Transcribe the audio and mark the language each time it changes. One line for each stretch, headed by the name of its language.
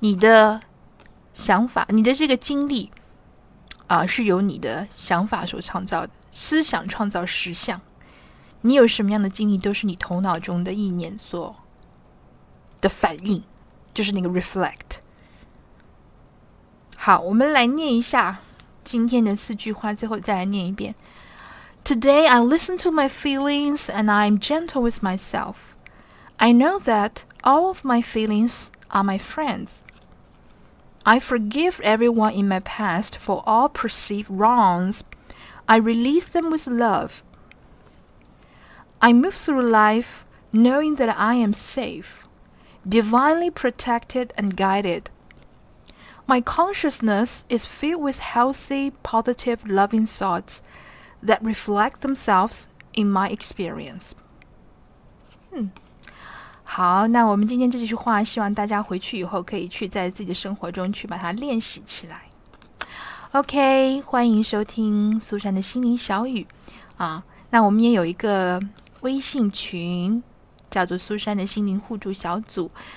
Chinese: 你的想法，你的这个经历啊，是由你的想法所创造的，思想创造实相。你有什么样的经历，都是你头脑中的意念所的反应，就是那个 reflect。好，我们来念一下今天的四句话，最后再来念一遍。
English: Today I listen to my feelings and I'm gentle with myself. I know that all of my feelings are my friends. I forgive everyone in my past for all perceived wrongs. I release them with love. I move through life knowing that I am safe, divinely protected and guided. My consciousness is filled with healthy, positive, loving thoughts that reflect themselves in my experience.
Chinese: 好，那我们今天这句话，希望大家回去以后可以去在自己的生活中去把它练习起来。 OK， 欢迎收听苏珊的心灵小语啊。那我们也有一个微信群，叫做苏珊的心灵互助小组。